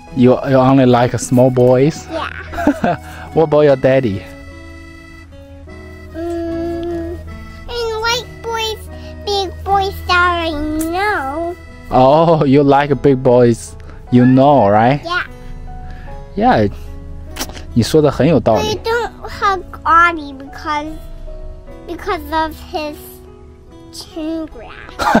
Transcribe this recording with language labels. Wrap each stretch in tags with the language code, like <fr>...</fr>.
<en>You only like small boys? Yeah. What about your daddy? I like boys, big boys that I know. Oh, you like big boys you know, right? Yeah.</en> <zh>Yeah, 你说的很有道理。</zh> <en>I don't hug Audie because of his chin grab.</en>